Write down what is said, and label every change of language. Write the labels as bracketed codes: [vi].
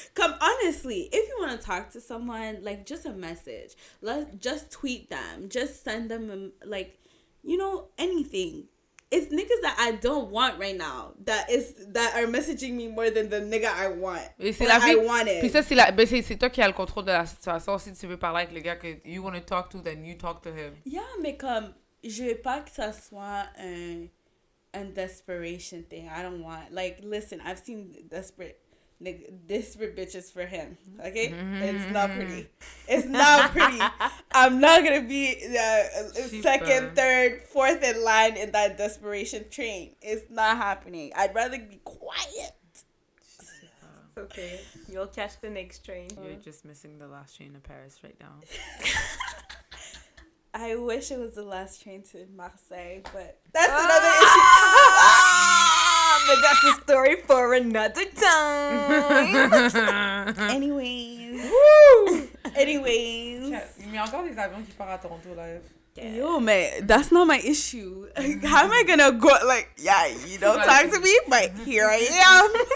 [en] Come honestly, if you want to talk to someone, like just a message, let's just tweet them, just send them a, like, you know, anything. It's niggas that I don't want right now that are messaging me more than the nigga I want. [fr] Mais c'est toi qui as le contrôle de la situation. Si tu veux parler avec le gars que [en] you want to talk to, then you talk to him. [fr] Yeah, mais comme je veux pas que ça soit un. [en] And desperation thing. I don't want, like, listen, I've seen desperate bitches for him. Okay? Mm-hmm. It's not pretty. It's not pretty. I'm not gonna be second, third, fourth in line in that desperation train. It's not happening. I'd rather be quiet. Okay. You'll catch the next train. You're just missing the last train to Paris right now. I wish it was the last train to Marseille, but that's another issue. But that's a story for another time. Anyways. Woo! Anyways. [fr] Mais encore des avions qui partent à Toronto live. [en] Yeah. Yo, man, that's not my issue. How am I gonna go? Like, yeah, you don't talk to me, but here I am.